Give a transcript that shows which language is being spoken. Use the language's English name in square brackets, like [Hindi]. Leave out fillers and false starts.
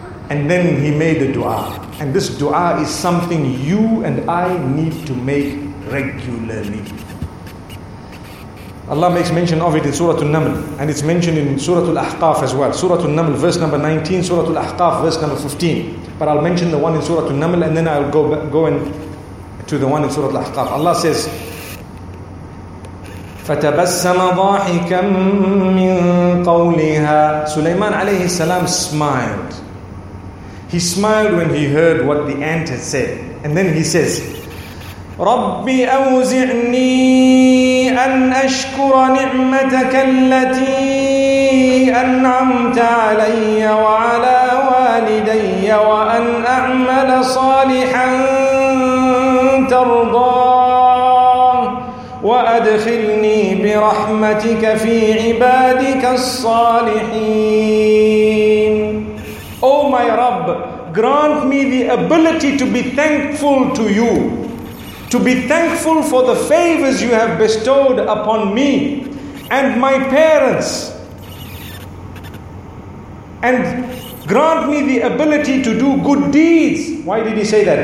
[English] And then he made a dua. And this dua is something you and I need to make regularly. Allah makes mention of it in Surah Al-Naml, and it's mentioned in Surah Al-Ahqaf as well. Surah Al-Naml, verse number 19, Surah Al-Ahqaf, verse number 15. But I'll mention the one in Surah Al-Naml, and then I'll go in to the one in Surah Al-Ahqaf. [Arabic] Allah says, فَتَبَسَّمَ ضَاحِكًا مِّن قَوْلِهَا. [English] Sulaiman alayhi salam smiled. He smiled when he heard what the ant had said. [Arabic] And then he says, رَبِّ أَوْزِعْنِي أَنْ أَشْكُرَ نِعْمَتَكَ الَّتِي أَنْعَمْتَ عَلَيَّ وَعَلَى وَالِدَيَّ وَأَنْ أَعْمَلَ صَالِحًا تَرْضَاهُ وَأَدْخِلْنِي بِرَحْمَتِكَ فِي عِبَادِكَ الصَّالِحِينَ. [English] Oh my Rabb, grant me the ability to be thankful to you, to be thankful for the favors you have bestowed upon me and my parents, and grant me the ability to do good deeds. Why did he say that?